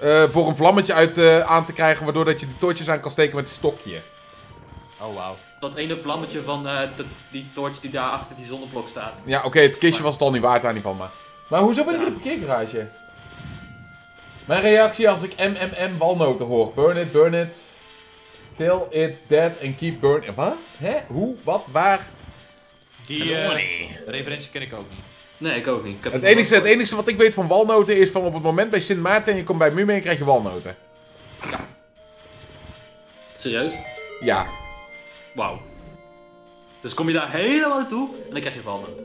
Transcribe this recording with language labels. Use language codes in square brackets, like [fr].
[nl] Voor een vlammetje aan te krijgen, waardoor dat je de toortjes aan kan steken met het stokje. Oh wauw. Dat ene vlammetje van die toorts die daar achter die zonneblok staat. Ja, oké, okay, het kistje was het al niet waard aan die van me. Maar hoezo ben ik in de parkeergarage? Mijn reactie als ik MMM walnoten hoor. [en] Burn it, burn it. Till it's dead and keep burning. [nl] Wat? Hè? Hoe? Wat? Waar? Die referentie ken ik ook niet. Nee, ik ook niet. Het enige wat ik weet van walnoten is van op het moment bij Sint Maarten en je komt bij Mumen krijg je walnoten. Ja. Serieus? Ja. Wauw. Dus kom je daar helemaal naartoe en dan krijg je walnoten.